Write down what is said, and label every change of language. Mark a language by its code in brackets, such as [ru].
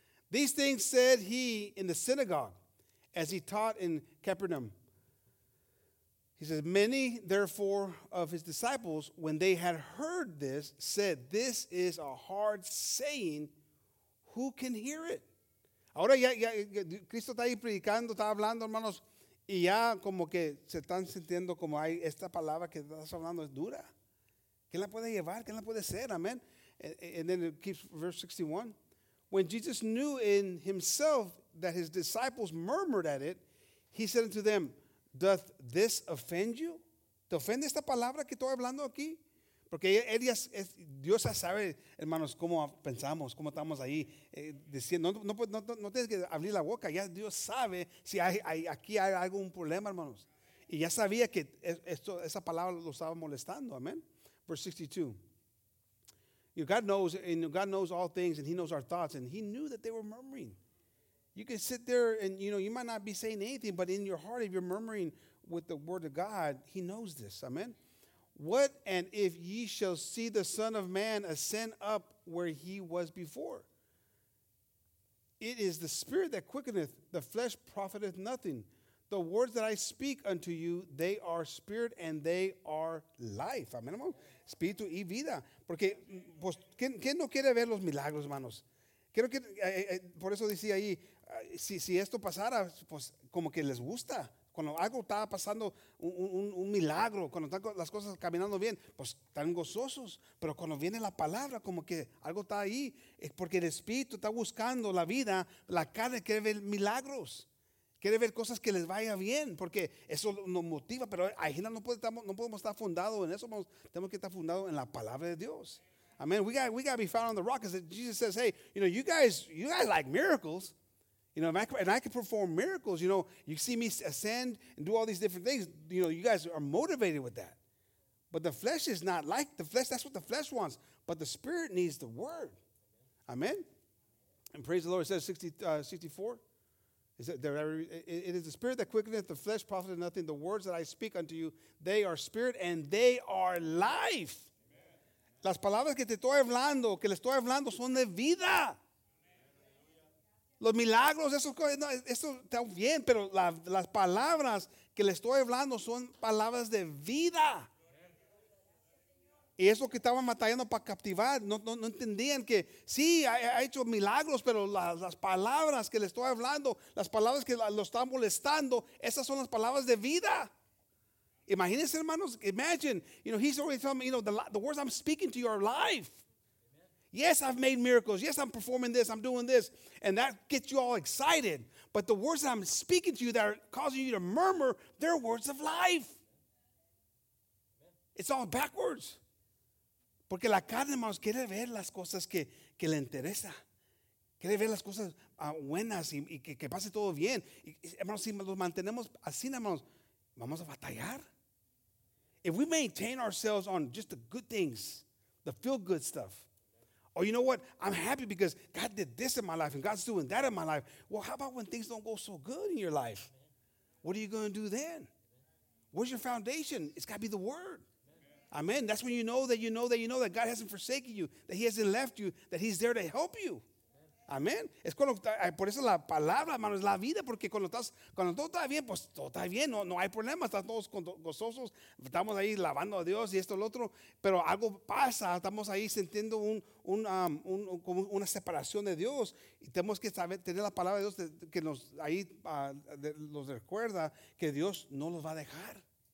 [en] These things said he in the synagogue as he taught in Capernaum. He says, many, therefore, of his disciples, when they had heard this, said, this is a hard saying. Who can hear it? [es] Ahora ya, Cristo está ahí predicando, está hablando, hermanos, y ya como que se están sintiendo como hay esta palabra que estás hablando es dura. ¿Quién la puede llevar? ¿Quién la puede ser? Amen. [en] And then it keeps verse 61. When Jesus knew in himself that his disciples murmured at it, he said unto them, doth this offend you? [es] ¿Te ofende esta palabra que estoy hablando aquí? Porque él ya, Dios ya sabe, hermanos, cómo pensamos, cómo estamos ahí diciendo. No tienes que abrir la boca. Ya Dios sabe si aquí hay algún problema, hermanos. Y ya sabía que esa palabra lo estaba molestando. [en] Amen. Verse 62. God knows all things, and he knows our thoughts. And he knew that they were murmuring. You can sit there and, you know, you might not be saying anything, but in your heart, if you're murmuring with the Word of God, he knows this. Amen. What, and if ye shall see the Son of Man ascend up where he was before? It is the Spirit that quickeneth, the flesh profiteth nothing. The words that I speak unto you, they are spirit and they are life. [es] Amén, hermano. Espíritu y vida. Porque, pues, ¿quién no quiere ver los milagros, hermanos? Quiero que, por eso decía ahí, si esto pasara, pues, como que les gusta. Cuando algo está pasando, un milagro, cuando están las cosas caminando bien, pues están gozosos. Pero cuando viene la palabra, como que algo está ahí, es porque el Espíritu está buscando la vida, la carne quiere ver milagros, quiere ver cosas que les vaya bien, porque eso nos motiva. Pero al final no podemos estar fundados en eso, tenemos que estar fundados en la palabra de Dios. [en] Amen. We got to be found on the rock. Jesus says, hey, you know, you guys like miracles. You know, and I can perform miracles. You know, you see me ascend and do all these different things. You know, you guys are motivated with that. But the flesh is not like the flesh. That's what the flesh wants. But the Spirit needs the Word. Amen. And praise the Lord. It says 64. It is the Spirit that quickeneth, the flesh profiteth nothing. The words that I speak unto you, they are spirit and they are life. Amen. [es] Las palabras que te estoy hablando, que le estoy hablando, son de vida. Los milagros, eso está bien, pero las palabras que le estoy hablando son palabras de vida. Y eso que estaban batallando para captivar, no entendían que sí, ha hecho milagros, pero las palabras que le estoy hablando, las palabras que lo están molestando, esas son las palabras de vida. Imagínense, hermanos, [en] imagine, you know, he's already telling me, you know, the words I'm speaking to you are life. Yes, I've made miracles. Yes, I'm performing this. I'm doing this. And that gets you all excited. But the words that I'm speaking to you that are causing you to murmur, they're words of life. Amen. It's all backwards. [es] Porque la carne, hermanos, quiere ver las cosas que le interesa. Quiere ver las cosas buenas y que pase todo bien. Y, hermanos, si nos mantenemos así, hermanos, vamos a batallar. [en] If we maintain ourselves on just the good things, the feel-good stuff, oh, you know what? I'm happy because God did this in my life and God's doing that in my life. Well, how about when things don't go so good in your life? what are you going to do then? Where's your foundation? It's got to be the Word. Amen. That's when you know that you know that you know that God hasn't forsaken you, that He hasn't left you, that He's there to help you. [es] Amén. Es cuando, por eso la palabra, hermano, es la vida, porque cuando todo está bien, pues todo está bien, no hay problema, están todos gozosos, estamos ahí alabando a Dios y esto y lo otro, pero algo pasa, estamos ahí sintiendo una separación de Dios y tenemos que saber, tener la palabra de Dios que nos ahí nos recuerda que Dios no los va a dejar.